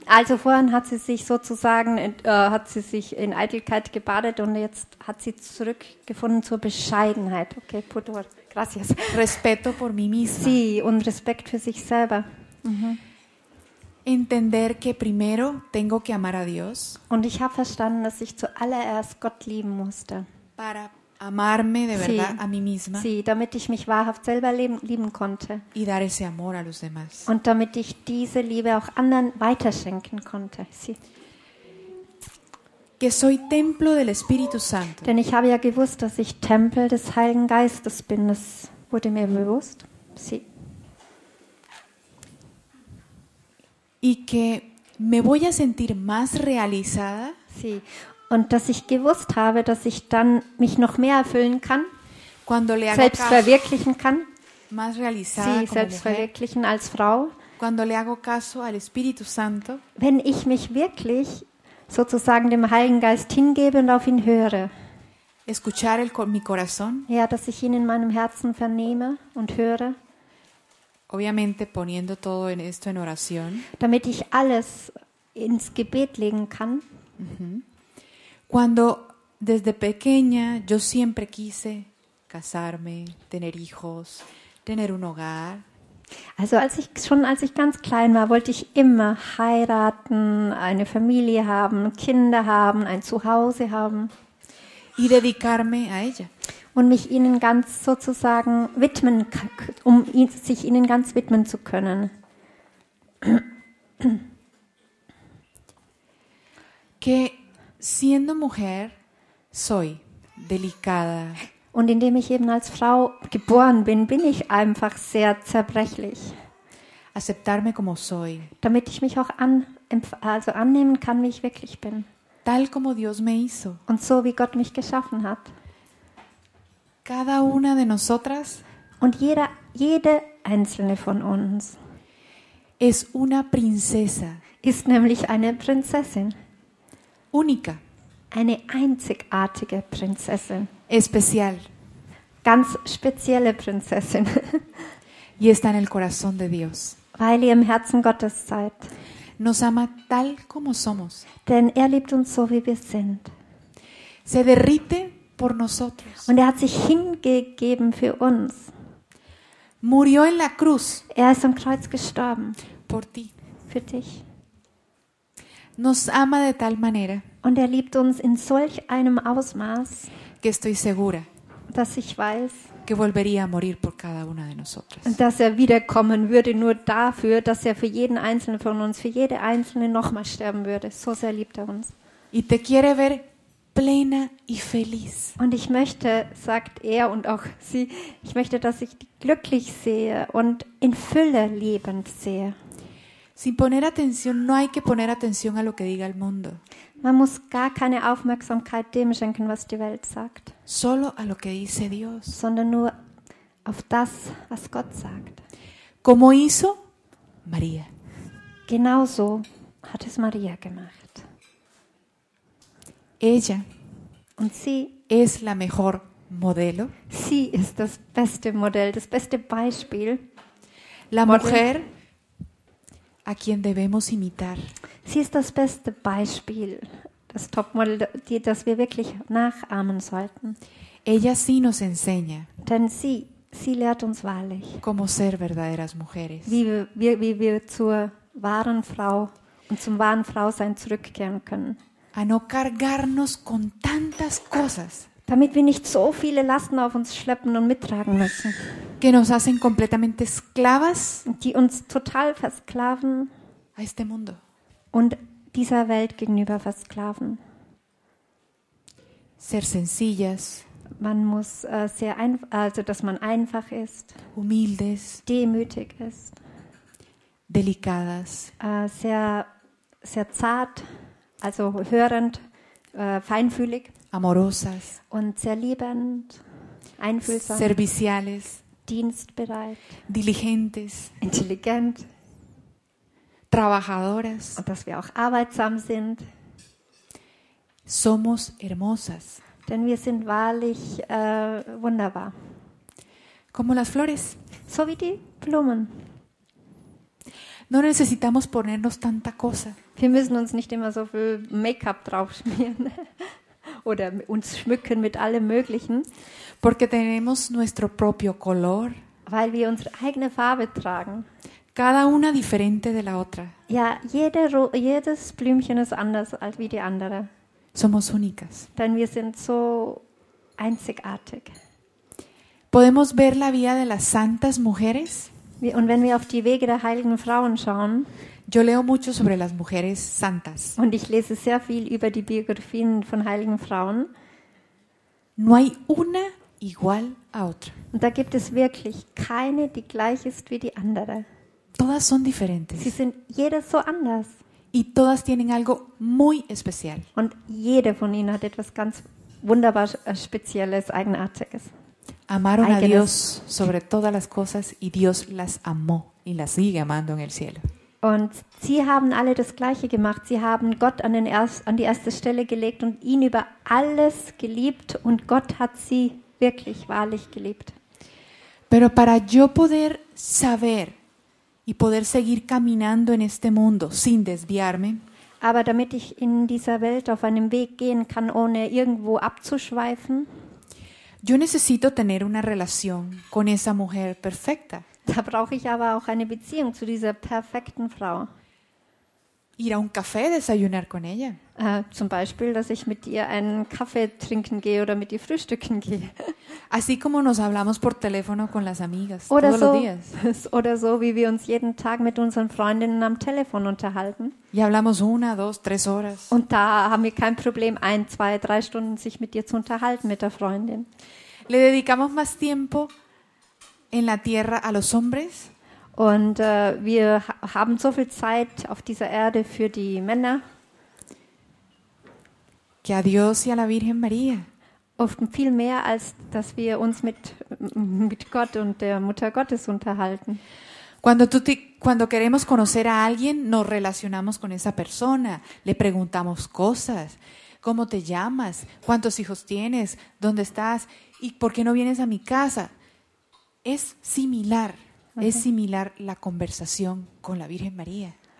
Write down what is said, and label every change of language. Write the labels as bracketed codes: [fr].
[de] Also vorhin hat sie sich sozusagen in Eitelkeit gebadet und jetzt hat sie zurückgefunden zur Bescheidenheit. [es] Okay, pudor. Gracias. Respeto por mí misma. [de] Sí, und Respekt für sich selber. Mhm. [es] Entender que primero tengo que amar a Dios. [de] Und ich habe verstanden, dass ich zuallererst Gott lieben musste. [es] Para amarme de verdad, sí, a mí misma. [de] Sí, damit ich mich wahrhaft selber lieben konnte. [es] Y dar ese amor a los demás. [de] Und damit ich diese Liebe auch anderen weiterschenken konnte. [es] Sí. Que soy templo del Espíritu Santo. [de] Denn ich habe ja gewusst, dass ich Tempel des Heiligen Geistes bin. Das wurde mir bewusst. Sí. [es] Y que me voy a sentir más realizada. Sí. [de] Und dass ich gewusst habe, dass ich dann mich noch mehr erfüllen kann. [es] Cuando le haga [de] selbst [es] caso, [de] verwirklichen kann. [es] Más realizada. [de] Sí, selbst [es] mujer, [de] verwirklichen als Frau. [es] Cuando le hago caso al Espíritu Santo. [de] Wenn ich mich wirklich sozusagen dem Heiligen Geist hingebe und auf ihn höre. [es] Escuchar mi corazón. [de] Ja, dass ich ihn in meinem Herzen vernehme und höre. [es] Obviamente poniendo todo en esto en oración. [de] Damit ich alles ins Gebet legen kann. [es] Cuando desde pequeña yo siempre quise casarme, tener hijos, tener un hogar. [de] Also als ich ganz klein war, wollte ich immer heiraten, eine Familie haben, Kinder haben, ein Zuhause haben. [es] Y dedicarme a ella. [de] Und mich ihnen ganz sozusagen widmen, um sich ihnen ganz widmen zu können. [es] Que siendo mujer soy delicada. [de] Und indem ich eben als Frau geboren bin, bin ich einfach sehr zerbrechlich. [es] aceptarme como soy. [de] Damit ich mich auch annehmen kann, wie ich wirklich bin. [es] Tal como Dios me hizo. [de] Und so wie Gott mich geschaffen hat. [es] Cada una de nosotras [de] und jede einzelne von uns [es] es una princesa. [de] Ist nämlich eine Prinzessin. [es] Única. [de] Eine einzigartige Prinzessin. [es] Especial. [de] Ganz spezielle Prinzessin. [es] Y está en el corazón de Dios. [de] Weil ihr im Herzen Gottes seid. [es] Nos ama tal como somos. [de] Denn er liebt uns so, wie wir sind. [es] Se derrite por nosotros. [de] Und er hat sich hingegeben für uns. [es] Murió en la cruz. [de] Er ist am Kreuz gestorben. [es] Por ti. [de] Für dich. [es] Nos ama de tal manera. [de] Und er liebt uns in solch einem Ausmaß, [es] que estoy segura, [de] dass ich weiß, [es] que volvería a morir por cada una de nosotras. [de] Dass er wiederkommen würde, nur dafür, dass er für jeden Einzelnen von uns, für jede Einzelne nochmal sterben würde. So sehr liebt er uns. [es] Y te quiere ver plena y feliz. [de] Und ich möchte, sagt er und auch sie, ich möchte, dass ich dich glücklich sehe und in Fülle lebend sehe. [es] Sin poner atención, no hay que poner atención a lo que diga el mundo. [de] Man muss gar keine Aufmerksamkeit dem schenken, was die Welt sagt. [es] Solo a lo que dice Dios. [de] Sondern nur auf das, was Gott sagt. [es] Como hizo María. [de] Genauso hat es María gemacht. [es] Ella. [de] Und sie. [es] Es la mejor modelo. [de] Sie ist das beste Modell, das beste Beispiel. [es] La mujer. A quien debemos imitar. [de] Sie ist das beste Beispiel, das Topmodel, das wir wirklich nachahmen sollten. [es] Ella sí nos enseña. [de] Denn sie lehrt uns wahrlich. [es] Cómo ser verdaderas mujeres. [de] Wie wir zur wahren Frau und zum wahren Frausein zurückkehren können. [es] A no cargarnos con tantas cosas. [de] Damit wir nicht so viele Lasten auf uns schleppen und mittragen müssen. [es] Que nos hacen completamente esclavas, [de] die uns total versklaven [es] a este mundo. [de] Und dieser Welt gegenüber versklaven. [es] Ser sencillas, [de] man muss sehr einfach, also dass man einfach ist, [es] humildes, [de] demütig ist, [es] delicadas, [de] sehr, sehr zart, also hörend, feinfühlig, [es] amorosas [de] und sehr liebend, einfühlsam, [es] serviciales, [de] dienstbereit, [es] diligentes, [de] intelligent, [es] trabajadoras, [de] und dass wir auch arbeitsam sind. [es] Somos hermosas, [de] denn wir sind wahrlich wunderbar. [es] Como las flores, [de] so wie die Blumen. [es] No necesitamos ponernos tanta cosa. [de] Wir müssen uns nicht immer so viel Make-up draufschmieren oder uns schmücken mit allem Möglichen. [es] Porque tenemos nuestro propio color. [de] Weil wir unsere eigene Farbe tragen. [es] Cada una diferente de la otra. [de] Ja, jedes Blümchen ist anders als wie die andere. [es] Somos únicas. [de] Denn wir sind so einzigartig. [es] Podemos ver la vida de las santas mujeres. [de] Und wenn wir auf die Wege der heiligen Frauen schauen. [es] Yo leo mucho sobre las mujeres santas. [de] Und ich lese sehr viel über die Biografien von heiligen Frauen. [es] No hay una igual a otra. [de] Und da gibt es wirklich keine, die gleich ist wie die andere. [es] Todas son diferentes. [de] Sie sind jedes so anders. [es] Y todas tienen algo muy especial. [de] Und jede von ihnen hat etwas ganz wunderbar Spezielles, Eigenartiges. [es] Amaron Eigenes. A Dios sobre todas las cosas y Dios las amó y las sigue amando en el cielo. [de] Und sie haben alle das Gleiche gemacht. Sie haben Gott an die erste Stelle gelegt und ihn über alles geliebt. Und Gott hat sie wirklich, wahrlich geliebt. [es] Pero para yo poder saber y poder seguir caminando en este mundo sin desviarme. [de] Aber damit ich in dieser Welt auf einem Weg gehen kann, ohne irgendwo abzuschweifen. [es] Yo necesito tener una relación con esa mujer perfecta. [de] Da brauche ich aber auch eine Beziehung zu dieser perfekten Frau. [es] Ir a un café desayunar con ella. [de] Zum Beispiel, dass ich mit ihr einen Kaffee trinken gehe oder mit ihr frühstücken gehe. [es] Así como nos hablamos por teléfono con las amigas [de] oder [es] todos [de] so, [es] los días. [de] Oder so, wie wir uns jeden Tag mit unseren Freundinnen am Telefon unterhalten. [es] Y hablamos una, dos, tres horas. [de] Und da haben wir kein Problem, ein, zwei, drei Stunden sich mit ihr zu unterhalten, mit der Freundin. [es] Le dedicamos más tiempo en la tierra a los hombres. [de] Und wir haben so viel Zeit auf dieser Erde für die Männer. [es] Que a Dios y a la Virgen María. [de] Oft viel mehr, als dass wir uns mit Gott und der Mutter Gottes unterhalten. [es] Cuando queremos conocer a alguien, nos relacionamos con esa persona, le preguntamos cosas. ¿Cómo te llamas? ¿Cuántos hijos tienes? ¿Dónde estás? ¿Y por qué no vienes a mi casa? Es similar, okay. Es similar la conversación con la Virgen María.